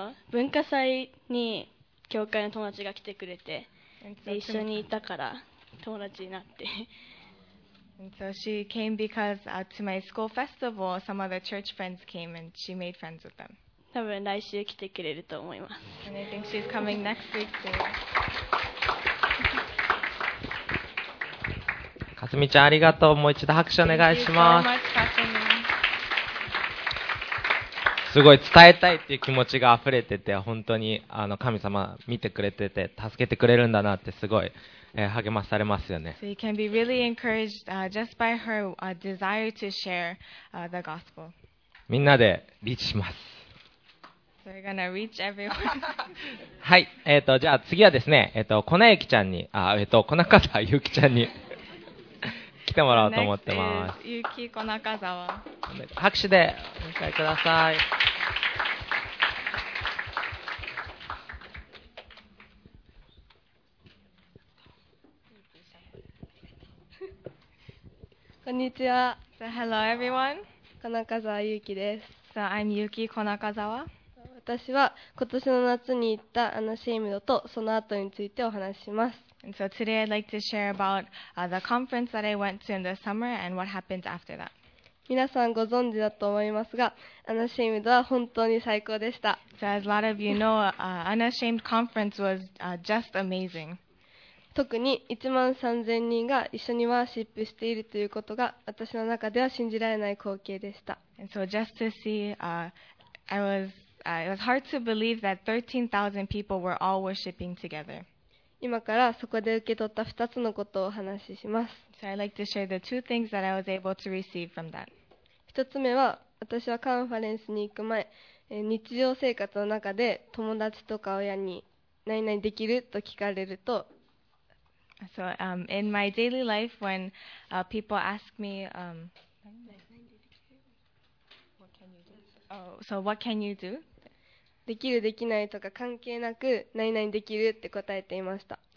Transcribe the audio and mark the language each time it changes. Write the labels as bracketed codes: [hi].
[ja] 文化祭に教会の友達が来てくれて、一緒にいたから友達になって。 [en] And so she came because to my school festival, some other church friends came and she made friends with them. [ja] 多分来週来てくれると思います。 [en] And I think she's coming next week too. [ja] かすみちゃんありがとう。もう一度拍手お願いします。 [en] Thank you so much, かすみ。 [ja] すごい伝えたいっていう気持ちが溢れてて本当に神様見てくれてて助けてくれるんだなってすごい、励まされますよね。 [en] So you can be really encouraged, just by her, desire to share, the gospel. [ja] みんなでリーチします。 [en] So we're gonna reach everyone. [ja] はい、じゃあ次はですね、粉雪ちゃんに、粉笠ゆきちゃんに来てもらおうと思ってます。ゆき粉笠は拍手でお迎えください。こんにちは。 [en] So hello everyone. [ja] 粉笠ゆきです。 [en] So I'm Yuki Konakazawa. [ja] 私は今年の夏に行ったあのシェイムドとその後についてお話します。 [en] And so today I'd like to share about the conference that I went to in the summer and what happened after that. [ja] 皆さんご存知だと思いますが、あのシェイムドは本当に最高でした。 [en] So as a lot of you know, Unashamed conference was just amazing. [ja] 特に1万3000人が一緒にワーシップしているということが私の中では信じられない光景でした。 [en] And so just to see, it was hard to believe that 13,000 people were all worshiping together. [ja] 今からそこで受け取った2つのことをお話しします。 [en] So I'd like to share the two things that I was able to receive from that. [ja] 1つ目は、私はカンファレンスに行く前、日常生活の中で友達とか親に何々できると聞かれると、 [en] So, in my daily life, when people ask me, what can you do? Oh, so what can you do? [ja] できるできないとか関係なく何々できるって答えていました。